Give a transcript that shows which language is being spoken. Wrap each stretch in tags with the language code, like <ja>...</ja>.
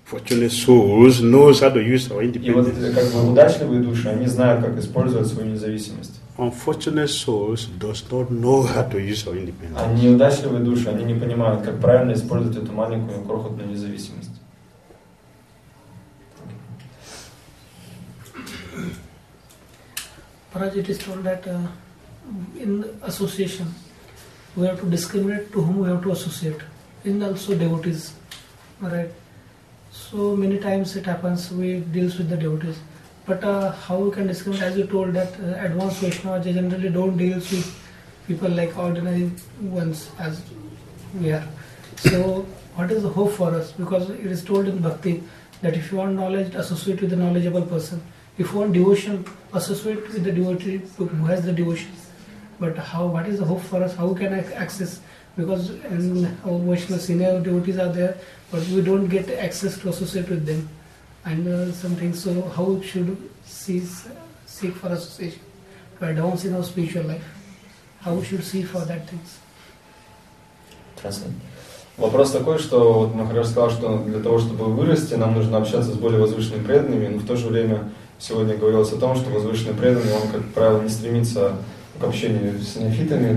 <ru>И вот как бы удачливые души, они знают, как использовать свою независимость.</ru> <en>Unfortunate souls does not know how to use our independence. А неудачливые души, они не понимают, как правильно использовать эту маленькую крохотную независимость. Prajit is told that in association we have to discriminate to whom we have to associate. In also devotees, right? So many times it happens we deal with the devotees. But how we can discriminate, as you told that advanced Vaishnavas generally don't deal with people like ordinary ones as we are. So what is the hope for us? Because it is told in Bhakti that if you want knowledge, associate with a knowledgeable person. If you want devotion, associate with the devotee who has the devotion. But how? What is the hope for us? How can I access? Because in our Vaishnava senior devotees are there, but we don't get access to associate with them. And something. So, how should seek for association to advance in our spiritual life? How should seek for that things? Translate.</en> <ru>Вопрос такой, что вот Махарадж сказал, что для того, чтобы вырасти, нам нужно общаться с более возвышенными преданными. Но в то же время сегодня говорилось о том, что возвышенный преданный, он как правило не стремится к общению с неофитами.</ru>